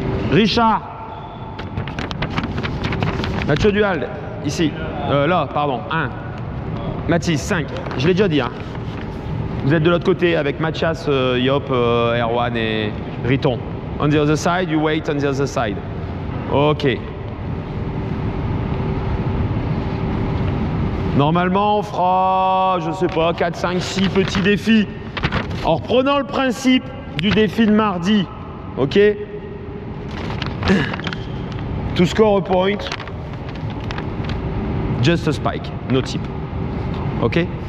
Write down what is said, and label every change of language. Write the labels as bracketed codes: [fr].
[fr] Richard. Mathieu Duhal, ici. Là, pardon, 1. Mathis, 5. Je l'ai déjà dit. Hein. Vous êtes de l'autre côté avec Mathias, Yop, Erwan et Riton. [en] On the other side, you wait on the other side. Ok. [fr] Normalement, on fera, je sais pas, 4, 5, 6 petits défis. En reprenant le principe du défi de mardi. Ok. [en] To score a point, just a spike, no tip. Ok?